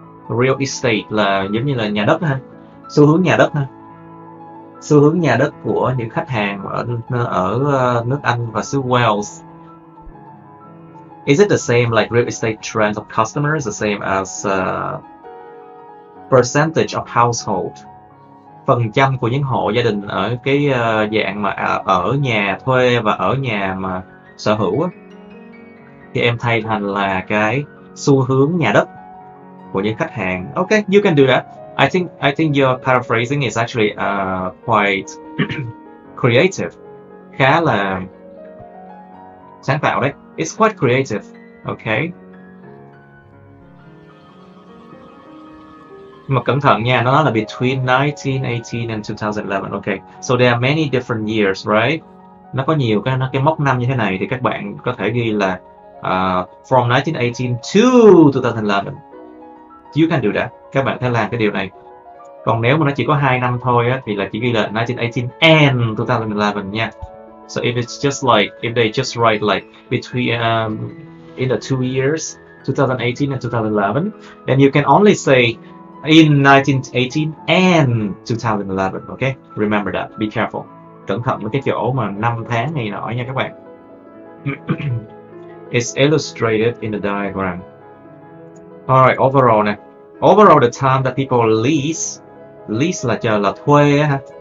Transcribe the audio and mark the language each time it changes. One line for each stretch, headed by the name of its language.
Vietnamese: Real estate là giống như là nhà đất ha. Xu hướng nhà đất ha. Xu hướng nhà đất của những khách hàng ở nước Anh và xứ Wales.
English: Is it the same like real estate trend of customers, the same as percentage of household?
Vietnamese: Phần trăm của những hộ gia đình ở cái dạng mà ở nhà thuê và ở nhà mà sở hữu á, thì em thay thành là cái xu hướng nhà đất của những khách hàng.
English: Okay, you can do that. I think your paraphrasing is actually quite creative.
Vietnamese: Khá là sáng tạo đấy.
English: It's quite creative. Okay.
Vietnamese: Mà cẩn thận nha, nó nói là
English: between 1918 and 2011.
Vietnamese: Okay.
English: So there are many different years, right?
Vietnamese: Nó có nhiều cái, nó cái mốc năm như thế này thì các bạn có thể ghi là
English: from 1918 to 2011. You can do that.
Vietnamese: Các bạn có thể làm cái điều này. Còn nếu mà nó chỉ có 2 năm thôi á, thì là chỉ ghi là 1918 and 2011 nha.
English: So if it's just like, if they just write like between in the 2 years, 2018 and 2011, then you can only say in 1918 and 2011, okay? Remember that. Be careful.
Vietnamese: Cẩn thận với cái chỗ mà 5 tháng này nọ nha các bạn.
English: It's illustrated in the diagram. All right, overall nè. Overall, the time that people lease
Vietnamese: là chờ là thuê á ha.